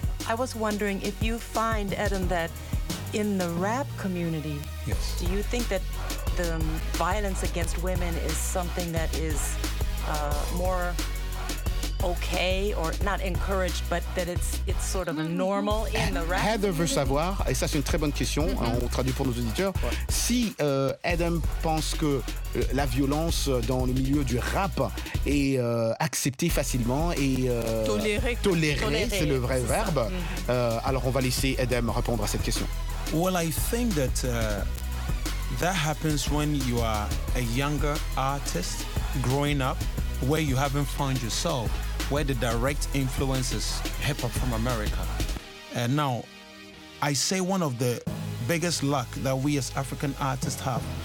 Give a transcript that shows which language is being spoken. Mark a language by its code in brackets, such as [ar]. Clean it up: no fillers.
[en] I was wondering if you find, Adam, that in the rap community, do you think that the violence against women is something that is more okay or not encouraged, but that it's sort of normal in the rap. [fr] Heather veut savoir, et ça c'est une très bonne question, on traduit pour nos auditeurs, si Adam pense que la violence dans le milieu du rap est acceptée facilement et tolérée, c'est le vrai verbe. Alors on va laisser Adam répondre à cette question. [en] Well, I think that that happens when you are a younger artist growing up where you haven't found yourself, where the direct influence is hip-hop from America. And now, I say one of the biggest luck that we as African artists have